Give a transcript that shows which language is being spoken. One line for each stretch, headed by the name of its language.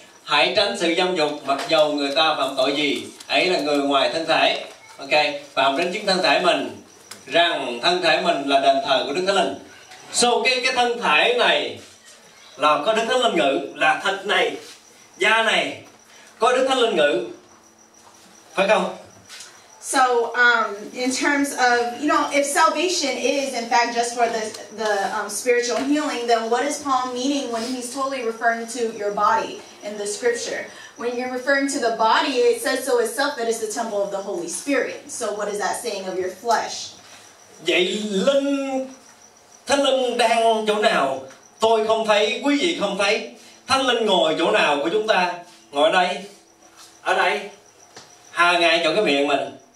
Vietnamese: Hãy tránh sự dâm dục, mặc dầu người ta phạm tội gì, ấy là người ngoài thân thể. Ok. Phạm đến chính thân thể mình, rằng thân thể mình là đền thờ của Đức Thánh Linh. So cái thân thể này là có Đức Thánh Linh ngự, là thịt này, da này có Đức Thánh Linh ngự. Phải không?
English: So in terms of, you know, if salvation is in fact just for the spiritual healing, then what is Paul meaning when he's totally referring to your body in the scripture? When you're referring to the body, it says so itself that it's the temple of the Holy Spirit. So what is that saying of your flesh?
Vietnamese: Vậy linh Thánh Linh đang chỗ nào? Tôi không thấy, quý vị không thấy. Thánh Linh ngồi chỗ nào của chúng ta? Ngồi đây. Ở đây. Hà ngay chỗ cái miệng mình.